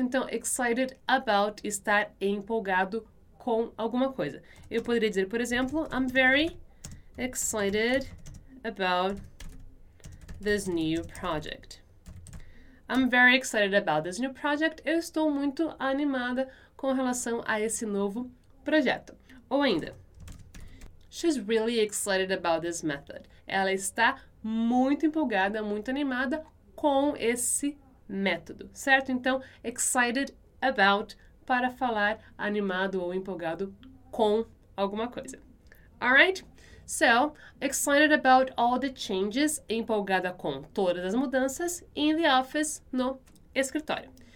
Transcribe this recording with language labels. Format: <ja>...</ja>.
<pt>Então, excited about, estar empolgado com alguma coisa. Eu poderia dizer, por exemplo,</pt> <en>I'm very excited about this new project. I'm very excited about this new project.</en> <pt>Eu estou muito animada com relação a esse novo projeto. Ou ainda,</pt> <en>she's really excited about this method.</en> <pt>Ela está muito empolgada, muito animada com esse método, certo? Então, excited about para falar animado ou empolgado com alguma coisa.</pt> <en>All right? So, excited about all the changes,</en> <pt>empolgada com todas as mudanças</pt> <en>in the office,</en> <pt>no escritório.</pt>